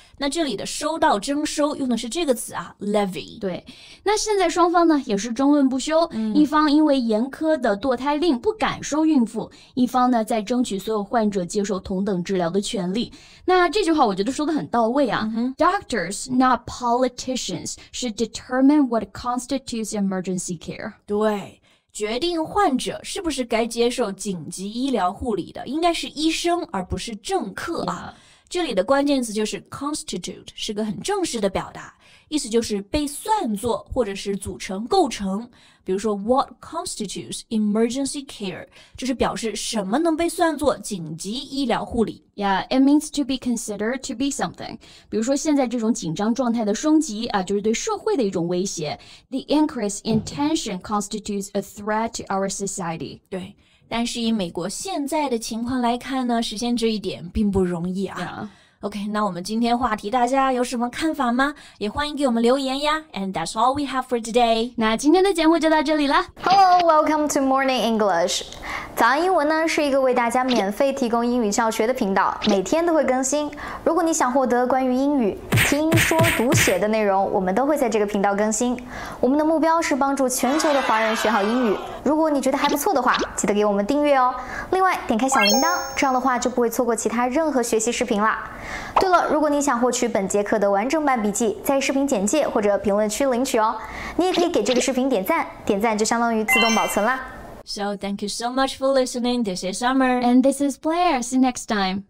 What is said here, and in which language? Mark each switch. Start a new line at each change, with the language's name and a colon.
Chinese: 那这里的收到征收用的是这个词啊 ,levy. 对。那现在双方呢也是争论不休、嗯、一方因为严苛的堕胎令不敢收孕妇，一方呢在争取所有患者接受同等治疗的权利。那这句话我觉得说得很到位啊。嗯、
English: Doctors, not politicians, should determine what constitutes emergency care.
Chinese: 对。决定患者是不是该接受紧急医疗护理的，应该是医生而不是政客啊。
English: Yeah.
Chinese: 这里的关键词就是 constitute, 是个很正式的表达，意思就是被算作或者是组成构成。比如说
English: what constitutes emergency care,
Chinese: 就是表示什么能被算作紧急医疗护理。
English: Yeah, it means to be considered to be something.
Chinese: 比如说现在这种紧张状态的升级啊，就是对社会的一种威胁。
English: The increase in tension constitutes a threat to our society.
Chinese: 对。但是以美国现在的情况来看呢，实现这一点并不容易啊。
English: Yeah.
Chinese: OK, 那我们今天话题大家有什么看法吗？也欢迎给我们留言呀。
English: And that's all we have for today.
Chinese: 那今天的节目就到这里了。
English: Hello, welcome to Morning English.
Chinese: 早安英文呢是一个为大家免费提供英语教学的频道，每天都会更新。如果你想获得关于英语听说读写的内容，我们都会在这个频道更新。我们的目标是帮助全球的华人学好英语。如果你觉得还不错的话，记得给我们订阅哦。另外，点开小铃铛，这样的话就不会错过其他任何学习视频啦。对了，如果你想获取本节课的完整版笔记，在视频简介或者评论区领取哦。你也可以给这个视频点赞，点赞就相当于自动保存啦。
English: So thank you so much for listening. This is Summer. And this is Blair. See you next time.